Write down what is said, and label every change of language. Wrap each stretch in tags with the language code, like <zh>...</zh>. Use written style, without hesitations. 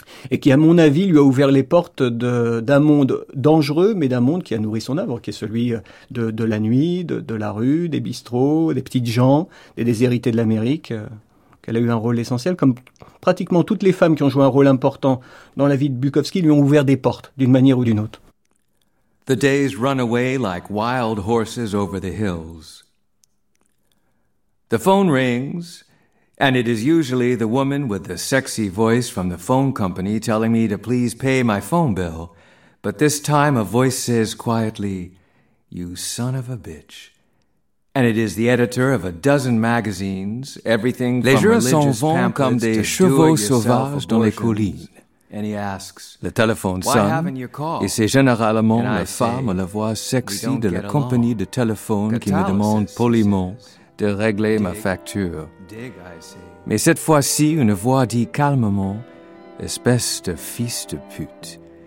<fr>Et qui, à mon avis, lui a ouvert les portes d'un monde dangereux, mais d'un monde qui a nourri son œuvre, qui est celui de la nuit, de la rue, des bistrots, des petites gens, des déshérités de l'Amérique. Qu'elle a eu un rôle essentiel, comme pratiquement toutes les femmes qui ont joué un rôle important dans la vie de Bukowski lui ont ouvert des portes, d'une manière ou d'une autre.</fr> <en>The days run away like wild horses over the hills. The phone rings. And it is usually the woman with the sexy voice from the phone company telling me to please pay my phone bill. But this time a voice says quietly, "You son of a bitch." And it is the editor of a dozen magazines, everything from religious pamphlets to do-it-yourself abortions.</en> <fr>Les gens s'en vont comme des chevaux sauvages dans les collines.</fr> <en>And he asks,</en> <fr>le téléphone sonne,</fr> <en>why haven't you called?</en> <fr>Et c'est généralement la femme à la voix sexy de la compagnie de téléphone qui me demande poliment de régler ma facture. Mais cette fois-ci, une voix dit calmement, espèce de fils de pute.</fr>